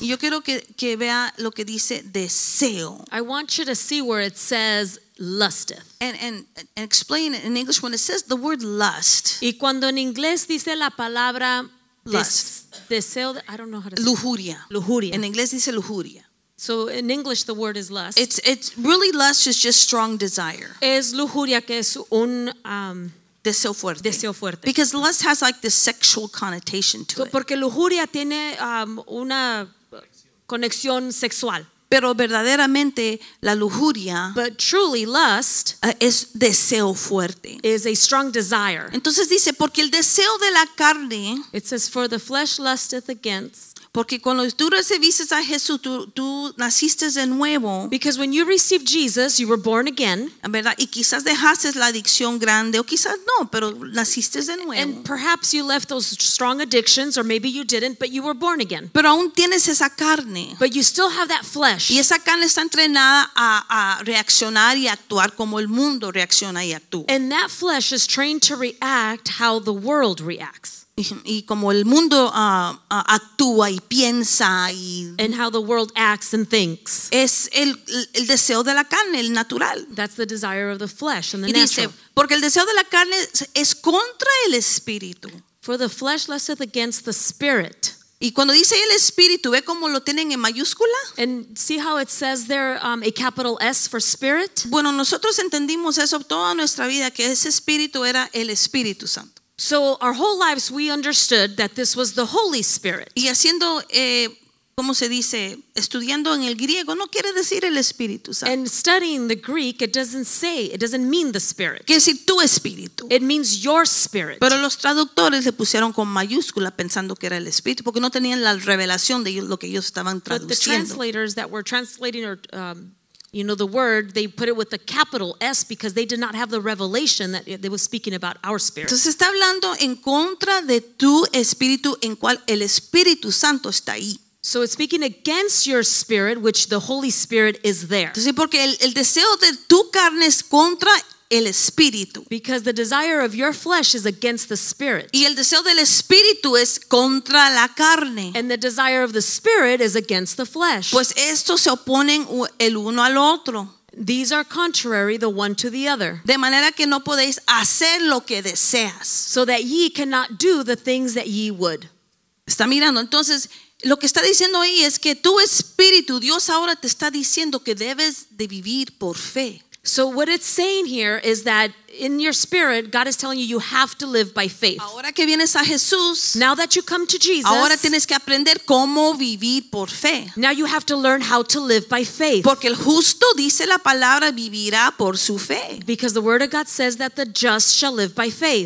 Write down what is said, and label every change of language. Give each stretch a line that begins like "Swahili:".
Spanish: Yo quiero que vea lo que dice deseo.
English: I want you to see where it says lusteth. And explain it in English when it says the word lust.
Spanish: Y cuando en inglés dice la palabra lust, deseo,
English: I don't know how to say
Spanish: lujuria. Lujuria. En inglés dice lujuria.
English: So in English the word is lust. It's really lust is just strong desire.
Spanish: Es lujuria que es un deseo fuerte. Deseo fuerte.
English: Because lust has like this sexual connotation to it.
Spanish: Porque lujuria tiene una conexión sexual. Pero verdaderamente la lujuria,
English: but truly lust,
Spanish: es deseo fuerte.
English: Is a strong desire.
Spanish: Entonces dice, porque el deseo de la carne,
English: it says for the flesh lusteth against.
Spanish: Porque cuando tú recibiste a Jesús, tú naciste de nuevo.
English: Because when you received Jesus, you were born again.
Spanish: ¿Verdad? Y quizás dejaste la adicción grande, o quizás no, pero naciste de nuevo.
English: And perhaps you left those strong addictions, or maybe you didn't, but you were born again.
Spanish: Pero aún tienes esa carne.
English: But you still have that flesh.
Spanish: Y esa carne está entrenada a reaccionar y actuar como el mundo reacciona y actúa.
English: And that flesh is trained to react how the world reacts.
Spanish: Y como el mundo actúa y piensa y
English: and how the world acts and thinks.
Spanish: Es el deseo de la carne, el natural.
English: That's the desire of the flesh and the
Spanish: y dice,
English: natural.
Spanish: Porque el deseo de la carne es contra el espíritu.
English: For the flesh lusteth against the spirit.
Spanish: Y cuando dice el espíritu, ¿ve cómo lo tienen en mayúscula?
English: And see how it says there a capital S for spirit.
Spanish: Bueno, nosotros entendimos eso toda nuestra vida, que ese espíritu era el Espíritu Santo.
English: So our whole lives we understood that this was the Holy Spirit.
Spanish: Y haciendo, ¿cómo se dice? Estudiando en el griego, no quiere decir el Espíritu Santo.
English: And studying the Greek, it doesn't say, it doesn't mean the Spirit.
Spanish: Quiere decir tu Espíritu.
English: It means your Spirit.
Spanish: Pero los traductores le pusieron con mayúscula pensando que era el Espíritu, porque no tenían la revelación de lo que ellos estaban traduciendo.
English: But the translators that were translating or you know the word, they put it with a capital S because they did not have the revelation that they were speaking about our spirit.
Spanish: Entonces está hablando en contra de tu espíritu en cual el Espíritu Santo está ahí.
English: So it's speaking against your spirit, which the Holy Spirit is there.
Spanish: Entonces porque el deseo de tu carne es contra el espíritu.
English: Because the desire of your flesh is against the spirit.
Spanish: Y el deseo del espíritu es contra la carne.
English: And the desire of the spirit is against the flesh.
Spanish: Pues estos se oponen el uno al otro.
English: These are contrary the one to the other.
Spanish: De manera que no podéis hacer lo que deseas.
English: So that ye cannot do the things that ye would.
Spanish: Está mirando, entonces lo que está diciendo ahí es que tu espíritu, Dios ahora te está diciendo que debes de vivir por fe.
English: So what it's saying here is that in your spirit, God is telling you you have to live by faith.
Spanish: Ahora que vienes a Jesús,
English: now that you come to Jesus,
Spanish: ahora tienes que aprender cómo vivir por fe.
English: Now you have to learn how to live by faith.
Spanish: Porque el justo dice la palabra vivirá por su fe.
English: Because the word of God says that the just shall live by faith.